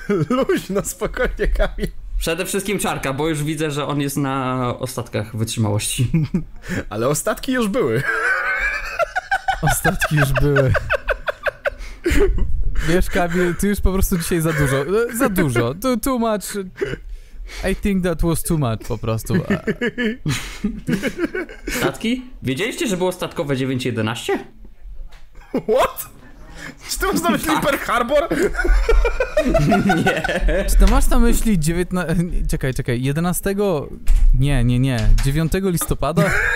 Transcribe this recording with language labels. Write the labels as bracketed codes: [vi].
[pl] Luźno, spokojnie, Kamil. Przede wszystkim Czarka, bo już widzę, że on jest na ostatkach wytrzymałości. Ale ostatki już były. Ostatki już były. Wiesz, Kamil, ty już po prostu dzisiaj za dużo. Za dużo. [en] Too much. I think that was too much [pl] po prostu. Statki? Wiedzieliście, że było statkowe 9-11? [en] What? [pl] Czy ty masz na myśli Pearl Harbor? Nie. Czy ty masz na myśli 11? Nie. 9 listopada?